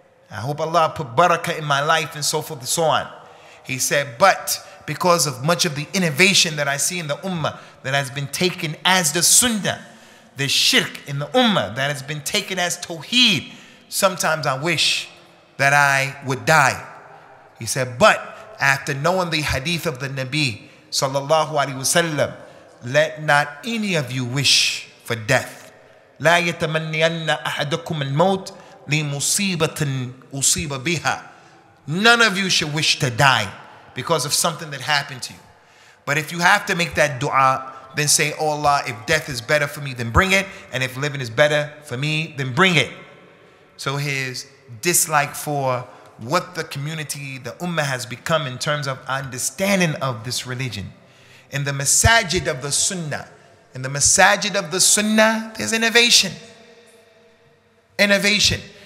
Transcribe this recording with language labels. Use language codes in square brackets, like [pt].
[en] I hope Allah put barakah in my life and so forth and so on. He said, but because of much of the innovation that I see in the ummah that has been taken as the sunnah, the shirk in the ummah that has been taken as tawheed, sometimes I wish that I would die. He said, but after knowing the hadith of the Nabi sallallahu alaihi wasallam, let not any of you wish for death. [ar] لا يتمنين أحدكم الموت لمصيبة أصيب بها. [en] None of you should wish to die because of something that happened to you. But if you have to make that dua, then say, oh Allah, if death is better for me, then bring it. And if living is better for me, then bring it. So his dislike for what the community, the ummah, has become in terms of understanding of this religion, in the masajid of the sunnah, in the masajid of the sunnah, there's innovation. Innovation.